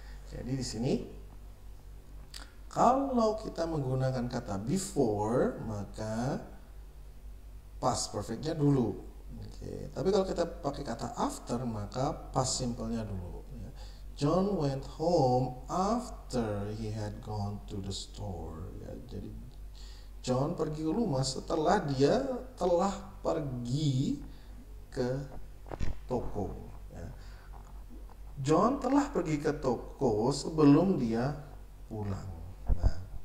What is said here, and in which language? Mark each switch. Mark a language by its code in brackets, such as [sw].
[id] Jadi di sini kalau kita menggunakan kata before maka past perfectnya dulu. Okay. Tapi kalau kita pakai kata after maka past simplenya dulu. [en] John went home after he had gone to the store. [id] Ya, jadi John pergi ke rumah setelah dia telah pergi ke toko. Ya. John telah pergi ke toko sebelum dia pulang. Nah.